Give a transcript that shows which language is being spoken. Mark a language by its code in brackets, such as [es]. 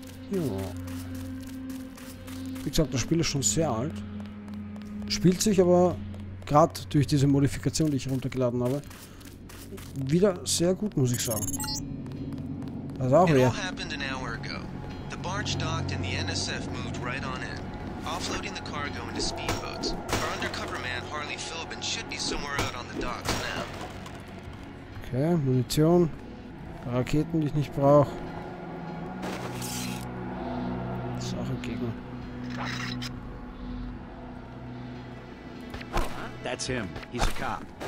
[de] Ja. Wie gesagt, das Spiel ist schon sehr alt. Spielt sich aber gerade durch diese Modifikation, die ich heruntergeladen habe, wieder sehr gut, muss ich sagen. Also auch wieder. [en] It all happened an hour ago. The barge docked and the NSF moved right on in, offloading the cargo into speedboats. Our undercover man Harley Philbin should be somewhere out on the docks now. [de] Okay, Munition, Raketen, die ich nicht brauche. Sache gegen. [en] That's him. He's a cop.